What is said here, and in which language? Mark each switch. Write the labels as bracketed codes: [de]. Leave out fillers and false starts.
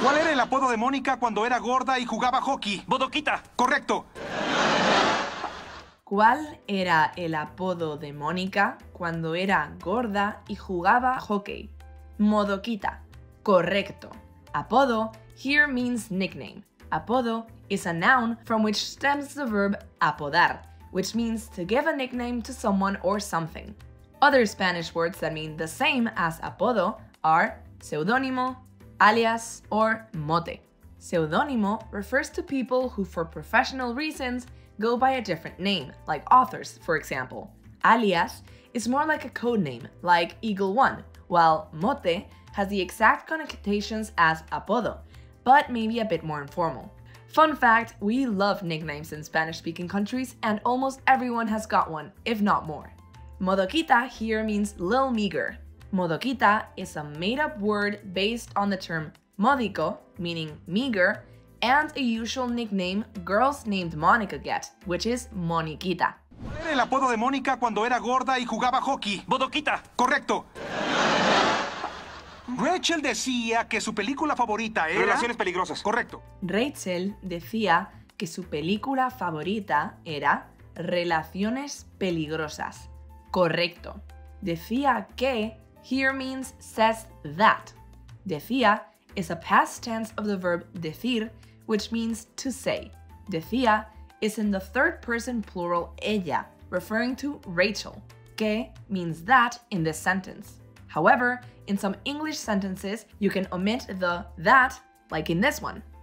[es] ¿Cuál era el apodo de Mónica cuando era gorda y jugaba hockey? ¡Bodoquita! ¡Correcto! ¿Cuál era el apodo de Mónica cuando era gorda y jugaba hockey? [en] ¡Modoquita! [es] ¡Correcto! [en] Apodo here means nickname. Apodo is a noun from which stems the verb apodar, which means to give a nickname to someone or something. Other Spanish words that mean the same as apodo are pseudónimo, alias, or mote. Pseudónimo refers to people who, for professional reasons, go by a different name, like authors, for example. Alias is more like a code name, like Eagle One, while mote has the exact connotations as apodo, but maybe a bit more informal. Fun fact, we love nicknames in Spanish-speaking countries, and almost everyone has got one, if not more. Modoquita here means little meager. Modoquita is a made-up word based on the term módico, meaning meager, and a usual nickname girls named Monica get, which is Moniquita. [es] ¿Cuál era el apodo de Mónica cuando era gorda y jugaba hockey? ¡Bodoquita! ¡Correcto! Rachel decía que su película favorita era... Relaciones peligrosas. Correcto. Rachel decía que su película favorita era Relaciones peligrosas. Correcto. Decía que [en] here means says that. Decía is a past tense of the verb decir, which means to say. Decía is in the third person plural ella, referring to Rachel. Que means that in this sentence. However, in some English sentences, you can omit the that, like in this one.